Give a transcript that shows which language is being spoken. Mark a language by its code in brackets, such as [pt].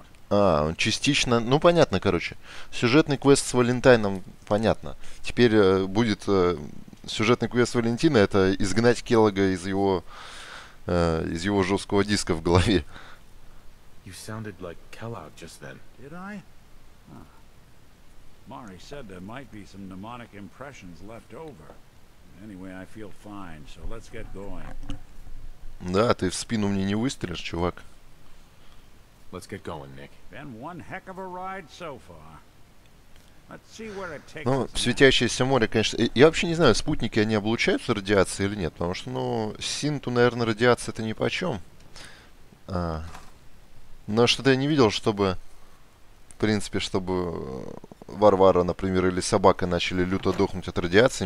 [ru] А, он частично... Ну, понятно, короче. Сюжетный квест с Валентайном, понятно. Теперь будет сюжетный квест Валентина, это изгнать Келлога из его жесткого диска в голове. [en] You sounded like Kellogg just then. Did I? Mari said there might be some mnemonic impressions left over. Anyway, I feel fine, so let's get going. [ru] Да, ты в спину мне не выстрелишь, чувак. [en] Let's get going, Nick. Been one heck of a ride so far. Let's see where it takes. [ru] Ну, светящееся море, конечно. Я вообще не знаю, спутники, они облучаются радиацией или нет, потому что, ну, синту, наверное, радиация это нипочем. А. Но что-то я не видел, чтобы, в принципе, чтобы Варвара, например, или собака начали люто дохнуть от радиации.